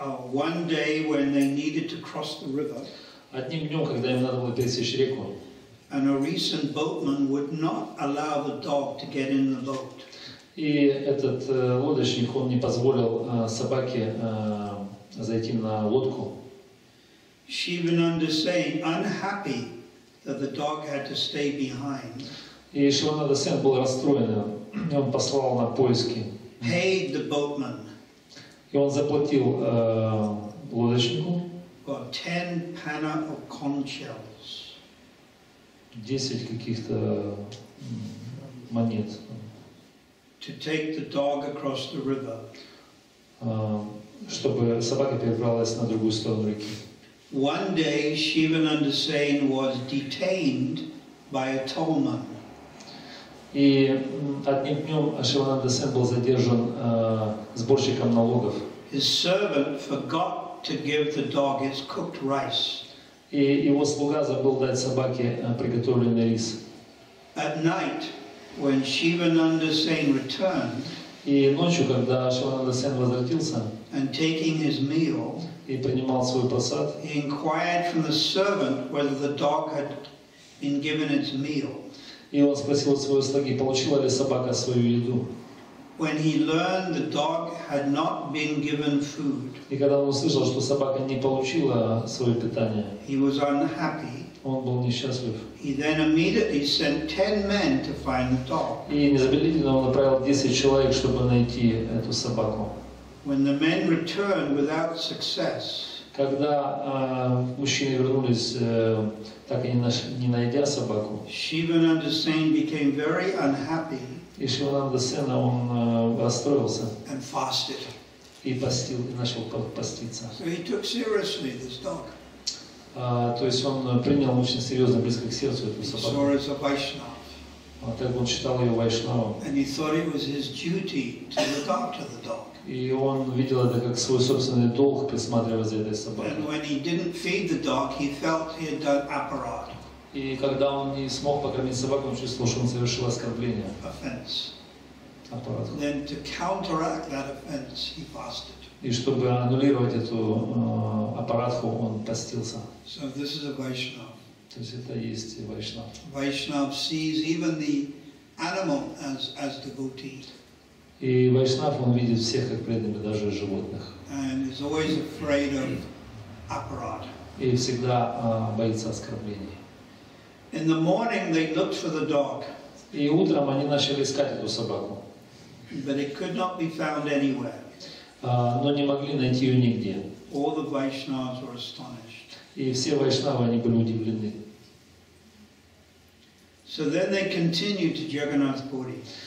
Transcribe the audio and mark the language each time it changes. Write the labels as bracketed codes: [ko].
[en] One day when they needed to cross the river. [ru] Одним днём, когда им надо было пересечь реку. [en] An Orissan boatman would not allow the dog to get in the boat. [ru] И этот лодочник, он не позволил собаке зайти на лодку. [en] Shivananda Sen, unhappy that the dog had to stay behind. [ru] И Шивананда Сен был расстроен, и он послал на поиски. [en] Paid the boatman. [ru] И он заплатил лодочнику. [en] Got 10 panna of conch shells. [ru] 10 каких-то монет. [en] To take the dog across the river. [ru] Чтобы собака перебралась на другую сторону реки. [en] One day Shivananda Sen was detained by a tollman. [ru] И одним днём Шивананда Сен был задержан сборщиком налогов. [en] His servant forgot to give the dog its cooked rice. [ru] И его слуга забыл дать собаке приготовленный рис. [en] At night, when Shivananda Sen returned, [ru] и ночью, когда Шивананда Сен возвратился, [en] and taking his meal, [ru] и принимал свой просад, [en] he inquired from the servant whether the dog had been given its meal. [ru] И он спросил у своего слуги, получила ли собака свою еду. [en] When he learned the dog had not been given food, [ru] и когда он услышал, что собака не получила свое питание, [en] he was unhappy. [ru] Он был несчастлив. [en] He then immediately sent 10 men to find the dog. [ru] И незамедлительно он направил 10 человек, чтобы найти эту собаку. [en] When the men returned without success, [ru] когда мужчины вернулись, так и не найдя собаку, [en] Shivananda Sen became very unhappy. [ru] И Шивананда Сена, он расстроился. [en] And fasted. [ru] И постил, и начал поститься. [en] So he took seriously this dog. [ru] То есть он принял очень серьезно, близко к сердцу эту собаку. [en] He saw it as a Vaishnava. [ru] Так он считал ее Вайшнавом. [en] And he thought it was his duty to look after the dog. [ru] И он видел это как свой собственный долг присматривать за этой собакой. [en] And when he didn't feed the dog, he felt he had done aparad. [ru] И когда он не смог покормить собаку, он чувствовал, что он совершил оскорбление. [en] Offense. [ru] Аппарат. [en] Then to counteract that offense, he fasted. [ru] И чтобы аннулировать эту аппаратху, он постился. [en] So this is a Vaishnav. [ru] То есть это и есть Вайшнав. [en] Vaishnav sees even the animal as devotee. [ru] И Вайшнав, он видит всех как преданных, даже животных. [en] And is always afraid of apparat. [ru] И всегда боится оскорблений. [en] In the morning they looked for the dog. [ru] И утром они начали искать эту собаку. [en] But it could not be found anywhere. [ru] Но не могли найти ее нигде. [en] All the Vaishnavas were astonished. [ru] И все Вайшнавы, они были удивлены. [en] So then they continued to Jagannath Puri.